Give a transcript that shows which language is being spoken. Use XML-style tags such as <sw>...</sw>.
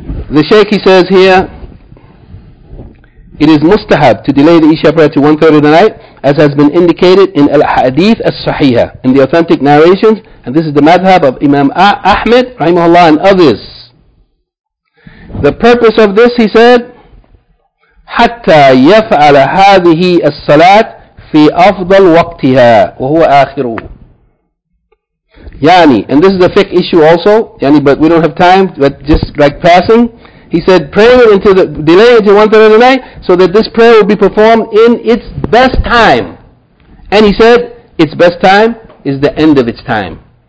<en>The Shaykh, he says here, it is mustahab to delay the Isha prayer to 1/3 of the night, as has been indicated in Al-Hadith As-Sahihah, in the authentic narrations, and this is the madhab of Imam Ahmed, rahimahullah, and others. The purpose of this, he said,</en> <ar>حَتَّى يَفْعَلَ هَذِهِ الصَّلَاةِ فِي أَفْضَلْ وَقْتِهَا وَهُوَ آخِرُهُ.</ar> <en>Yani, and this is a fiqh issue also, yani, but we don't have time, but just like passing, he said, pray it into the, delay it to 1/3 of the night, so that this prayer will be performed in its best time. And he said, its best time is the end of its time.</en>